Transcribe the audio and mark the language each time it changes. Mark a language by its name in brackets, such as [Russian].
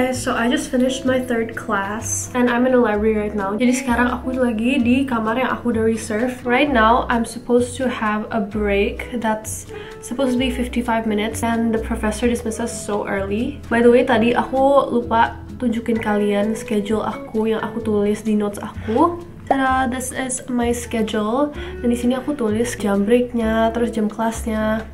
[English] So I just finished my third class and I'm in the library right now. [Indonesian] Jadi sekarang aku lagi di kamar yang aku udah reserve. [English] Right now I'm supposed to have a break that's supposed to be 55 minutes and the professor dismissed us so early. By the way, [Indonesian] tadi aku lupa tunjukin kalian schedule aku yang aku tulis di notes aku. Ta-da, [English] this is my schedule. [Indonesian] Dan di sini aku tulis jam breaknya, terus jam kelasnya.